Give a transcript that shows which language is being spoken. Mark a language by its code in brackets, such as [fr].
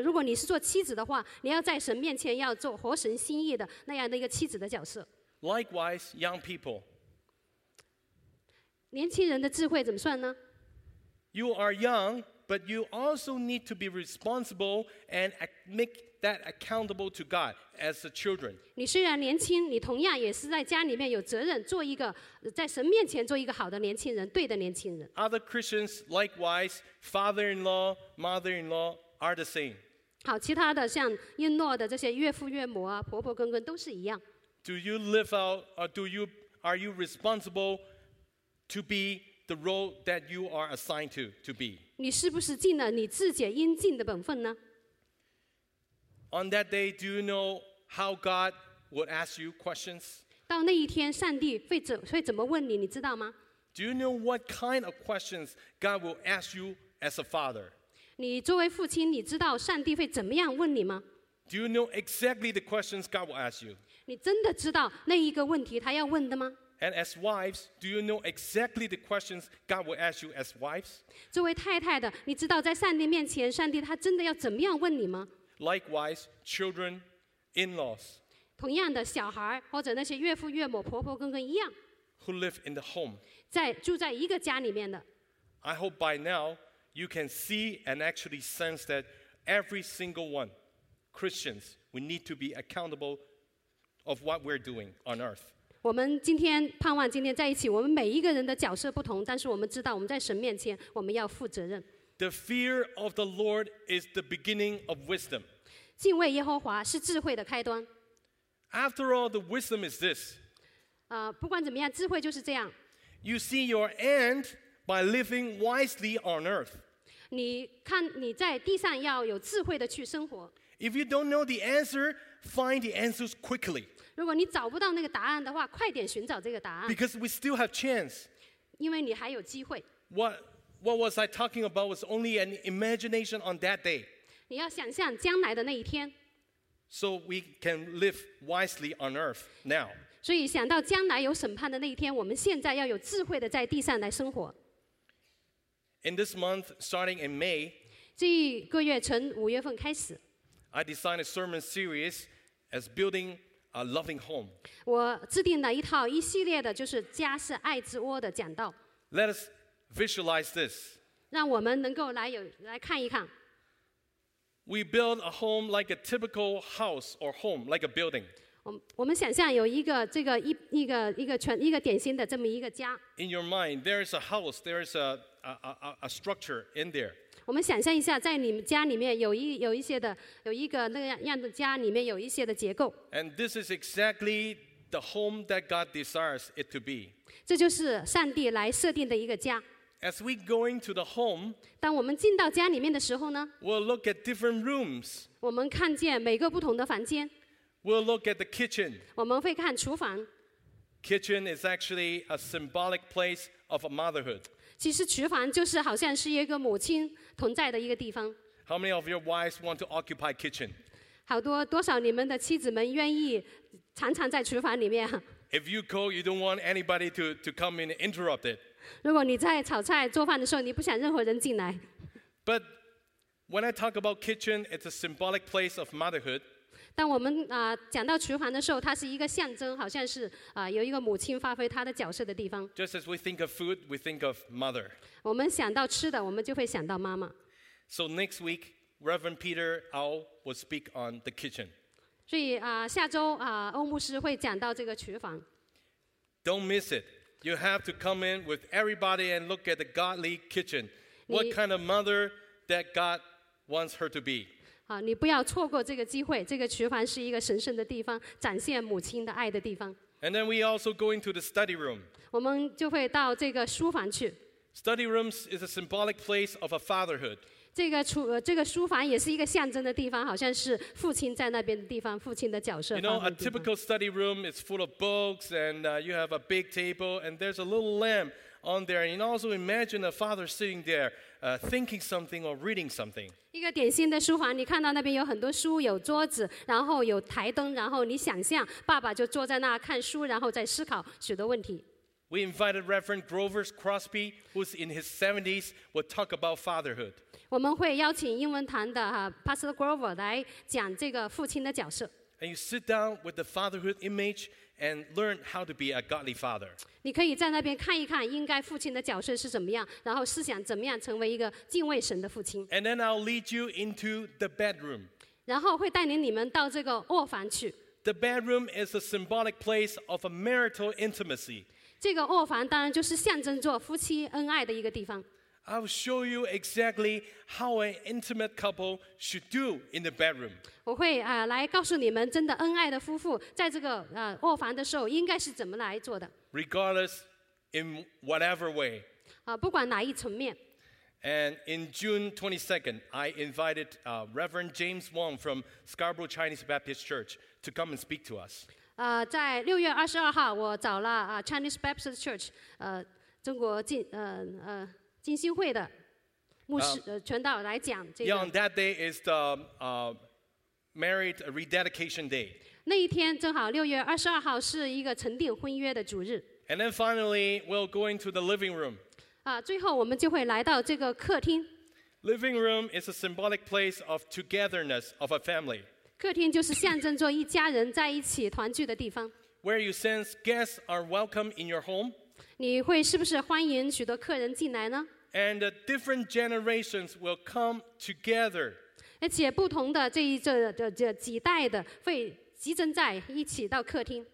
[zh] 如果你是做妻子的话，你要在神面前要做合神心意的那样的一个妻子的角色。 [en] Likewise, young people. [zh] 年轻人的智慧怎么算呢？ [en] You are young, but you also need to be responsible and make that accountable to God. As the children, [zh] 你虽然年轻，你同样也是在家里面有责任，做一个在神面前做一个好的年轻人，对的年轻人。 [en] Other Christians, likewise, father-in-law, mother-in-law are the same. [zh] 好，其他的像应诺的这些岳父岳母啊，婆婆公公都是一样。 [en] Do you live out, or are you responsible to be the role that you are assigned to be? [zh] 你是不是尽了你自己应尽的本分呢？ [en] On that day, do you know how God would ask you questions? [zh] 到那一天，上帝会怎么问你，你知道吗？ [en] Do you know what kind of questions God will ask you as a father? [zh] 你作为父亲，你知道上帝会怎么样问你吗？ [en] Do you know exactly the questions God will ask you? [zh] 你真的知道那一个问题他要问的吗？ [en] And as wives, do you know exactly the questions God will ask you as wives? [zh] 作为太太的，你知道在上帝面前，上帝他真的要怎么样问你吗？ [en] Likewise, children, in-laws. [zh] 同样的，小孩或者那些岳父岳母、婆婆公公一样。 [en] Who live in the home? [zh] 在住在一个家里面的。 [en] I hope by now you can see and actually sense that every single one, Christians, we need to be accountable of what we're doing on earth. [zh] 我们今天盼望今天在一起，我们每一个人的角色不同，但是我们知道我们在神面前我们要负责任。 [en] The fear of the Lord is the beginning of wisdom. [zh] 敬畏耶和华是智慧的开端。 [en] After all, the wisdom is this. [zh] 不管怎么样，智慧就是这样。 [en] You see your end by living wisely on earth. [zh] 你看你在地上要有智慧的去生活。 [en] If you don't know the answer, find the answers quickly. [zh] 如果你找不到那个答案的话，快点寻找这个答案。 [en] Because we still have chance. [zh] 因为你还有机会。 [en] What was I talking about was only an imagination on that day. [zh] 你要想象将来的那一天。 [en] So we can live wisely on earth now. [zh] 所以想到将来有审判的那一天，我们现在要有智慧的在地上来生活。 [en] In this month, starting in May, [zh] 这一个月从五月份开始 [en] I designed a sermon series as building a loving home. [zh] 我制定了一套一系列的就是家是爱之窝的讲道。 [en] Let us visualize this. [zh] 让我们能够来看一看。 [en] We build a home like a typical house or home, like a building. [zh] 我们想象有一个这个一个典型的这么一个家。 [en] In your mind, there is a house, there is a structure in there. [zh] 我们想象一下，在你们家里面有一个那个样的家里面有一些的结构。 [en] And this is exactly the home that God desires it to be. [zh] 这就是上帝来设定的一个家。 [en] As we go into the home, [zh] 当我们进到家里面的时候呢 [en] ，We'll look at different rooms. [zh] 我们看见每个不同的房间。 [en] We'll look at the kitchen. [zh] 我们会看厨房。 [en] Kitchen is actually a symbolic place of a motherhood. [zh] 其实厨房就是好像是一个母亲同在的一个地方。 [en] How many of your wives want to occupy kitchen? [zh] 好多多少你们的妻子们愿意常常在厨房里面。 [en] If you cook, you don't want anybody to come in and interrupt it. [zh] 如果你在炒菜做饭的时候，你不想任何人进来。 [en] But when I talk about kitchen, it's a symbolic place of motherhood. [zh] 当我们讲到厨房的时候，它是一个象征，好像是有一个母亲发挥她的角色的地方。 [en] Just as we think of food, we think of mother. [zh] 我们想到吃的，我们就会想到妈妈。 [en] So next week, Reverend Peter Au will speak on the kitchen. [zh] 所以下周欧牧师会讲到这个厨房。 [en] Don't miss it. You have to come in with everybody and look at the godly kitchen. What kind of mother that God wants her to be? [zh] 你不要错过这个机会，这个厨房是一个神圣的地方，展现母亲的爱的地方。 [en] And then we also go into the study room. [zh] 我们就会到这个书房去。 [en] Study rooms is a symbolic place of a fatherhood. [zh] 这个书房也是一个象征的地方，好像是父亲在那边的地方，父亲的角色。 [en] You know, a typical study room is full of books, and you have a big table, and there's a little lamp on there. And you also imagine a father sitting there, thinking something or reading something. [zh] 一个典型的书房，你看到那边有很多书，有桌子，然后有台灯，然后你想象爸爸就坐在那看书，然后在思考许多问题。 [en] We invited Reverend Grover Crosby, who's in his 70s, will talk about fatherhood. [zh] 我们会邀请英文堂的Pastor Grover 来讲这个父亲的角色。 [en] And you sit down with the fatherhood image and learn how to be a godly father. [zh] 你可以在那边看一看应该父亲的角色是怎么样，然后思想怎么样成为一个敬畏神的父亲。 [en] And then I'll lead you into the bedroom. [zh] 然后会带领你们到这个卧房去。 [en] The bedroom is a symbolic place of a marital intimacy. [zh] 这个卧房当然就是象征着夫妻恩爱的一个地方。 [en] I will show you exactly how an intimate couple should do in the bedroom. [zh] 我会来告诉你们，真的恩爱的夫妇在这个卧房的时候应该是怎么来做的。 [en] Regardless, in whatever way. [zh] 不管哪一层面。 [en] And in June 22nd, I invited Reverend James Wong from Scarborough Chinese Baptist Church to come and speak to us. [zh] 在六月二十二号，我找了Chinese Baptist Church, 中国进金星会的牧师传道来讲这个。 [en] Yeah, on that day is the married a rededication day. [zh] 那一天正好六月二十二号是一个成定婚约的主日。 [en] And then finally, we'll go into the living room. [zh] 啊，最后我们就会来到这个客厅。 [en] Living room is a symbolic place of togetherness of a family. [zh] 客厅就是象征着一家人在一起团聚的地方。 [en] Where you sense guests are welcome in your home. [zh] 你会是不是欢迎许多客人进来呢？ [en] And different generations will come together. [zh] 而且不同的这几代的会集中在一起到客厅。